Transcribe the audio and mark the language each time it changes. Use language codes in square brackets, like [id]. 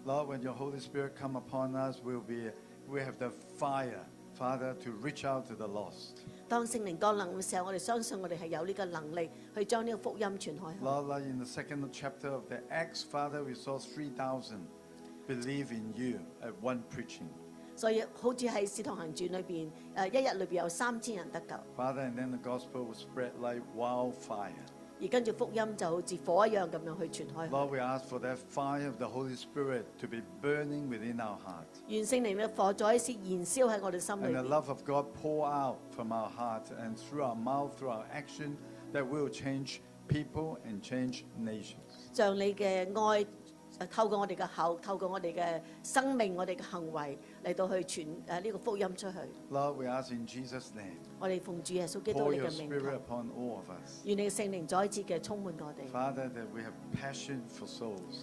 [en] Lord, when your Holy Spirit come upon us, we have the fire, Father, to reach out to the lost. [yue] 當聖靈降臨嘅時候，我哋相信我哋係有呢個能力去將呢個福音傳開。 [en] Lord, in the second chapter of the Acts, Father, we saw 3,000 believe in you at one preaching. [yue] 所以好似喺《使徒行傳》裏邊，一日裏邊有3,000人得救。 [en] Father, and then the gospel was spread like wildfire. [yue] 而跟住福音就好似火一樣咁樣去傳開。 [en] Lord, we ask for that fire of the Holy Spirit to be burning within our heart. [yue] 願聖靈嘅火再一次燃燒喺我哋心裏邊。 [en] And the love of God pour out from our heart and through our mouth, through our action, that will change people and change nations. [yue] 將你嘅愛透過我哋嘅口，透過我哋嘅生命，我哋嘅行為，嚟到去傳呢個福音出去。 [en] Lord, we ask in Jesus' name. [yue] 我哋奉主耶穌基督你嘅名求。 [en] Pour your Spirit upon all of us. [yue] 願你嘅聖靈再次嘅充滿我哋。 [en] Father, that we have passion for souls.